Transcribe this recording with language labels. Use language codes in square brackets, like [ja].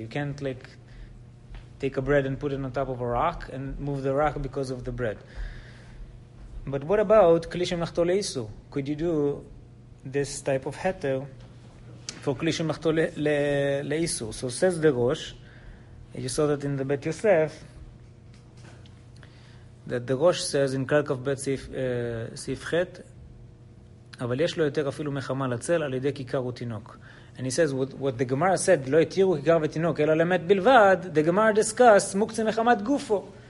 [en] You can't like take a bread and put it on top of a rock and move the rock because of the bread. But what about Kli Shemelachto Leisur? Could you do this type of heter for Kli Shemelachto Leisur? So says the Rosh, you saw that in the Bet Yosef, that the Rosh says in Karkov Bet Sifchet, [he] אבל יש לו יותר אפילו מחמה לצל על ידי כיכר ותינוק. [en] And he says, what the Gemara said, [he] לא יתירו כיכר ותינוק, אלא למת בלבד, [en] the Gemara discussed, מוקצה מחמת גופו.